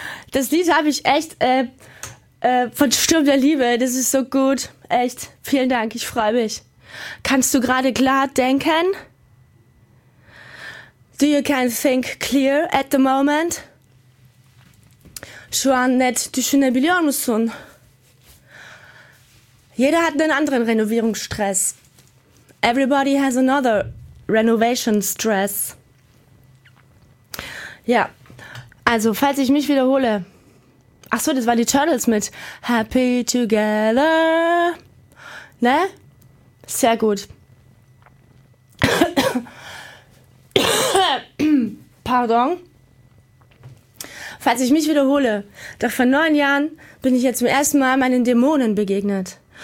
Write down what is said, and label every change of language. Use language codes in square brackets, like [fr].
[de] Das Lied habe ich echt von Sturm der Liebe. Das ist so gut. Echt. Vielen Dank. Ich freue mich. Kannst du gerade klar denken? [en] Do you can think clear at the moment? [tr] Şu an net düşünebiliyor musun? [de] Jeder hat einen anderen Renovierungsstress. [en] Everybody has another renovation stress. [de] Ja. Also, falls ich mich wiederhole. Ach so, das waren die Turtles mit Happy Together. Ne? Sehr gut. Pardon. Falls ich mich wiederhole, doch vor 9 Jahren bin ich jetzt zum ersten Mal meinen Dämonen begegnet.